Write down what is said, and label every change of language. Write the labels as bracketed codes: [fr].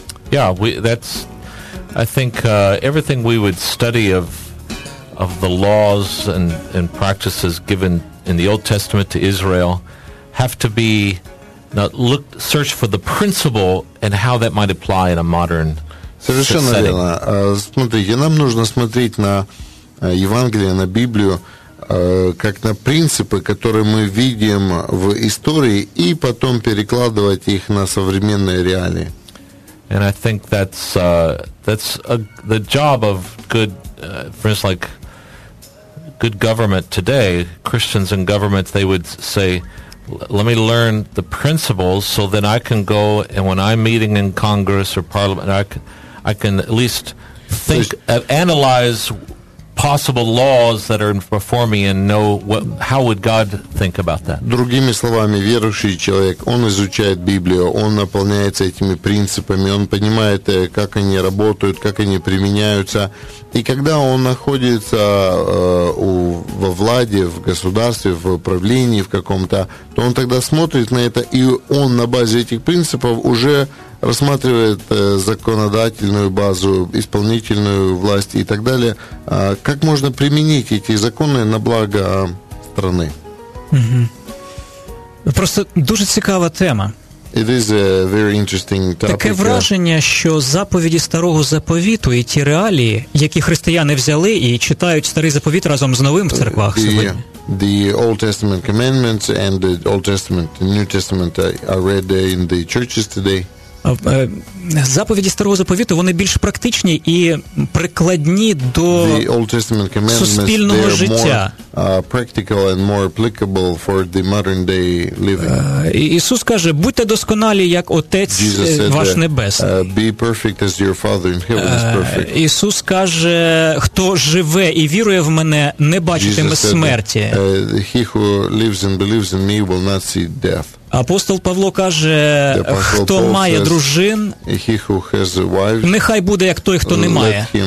[en] Yeah, I think everything we would study of the laws and practices given in the Old Testament to Israel have to be search for the principle and how that might apply in a modern [ru] совершенно [en] setting. [ru] Совершенно верно. Смотрите, нам нужно смотреть на Евангелие, на Библию, как на принципы, которые мы видим в истории, и потом перекладывать их на современные реалии. [en] And I think that's the job of good, for instance, like good government today. Christians in government, they would say, let me learn the principles so then I can go, and when I'm meeting in Congress or Parliament, I can at least think, analyze possible laws that are before me and know what, how would God think about that? [ru] Другими словами, верующий человек, он изучает Библию, он наполняется этими принципами, он понимает, как они работают, как они применяются. И когда он находится во владе, в государстве, в правлении в каком-то, то он тогда смотрит на это, и он на базе этих принципов уже рассматривает законодательную базу, исполнительную власть и так далее. Как можно применить эти законы на благо страны? Mm-hmm. [uk] Просто дуже цікава тема. [en] It is a very interesting topic. [uk] Таке враження, що заповіді Старого Заповіту і ті реалії, які християни взяли і читають Старий Заповіт разом з Новим в церквах сьогодні. [en] The Old Testament commandments and the Old Testament and New Testament are read in the churches today. [uk] Заповіді Старого Заповіту, вони більш практичні і прикладні до суспільного життя. [en] Practical and more applicable for the modern day living. [uk] Ісус каже: "Будьте досконалі, як Отець ваш небесний". [en] Be perfect as your Father in heaven is perfect. [uk] Ісус каже: "Хто живе і вірує в мене, не бачитиме смерті". [en] He who lives and believes in me will not see death. [uk] Апостол Павло каже, хто має дружин, нехай буде як той, хто не має.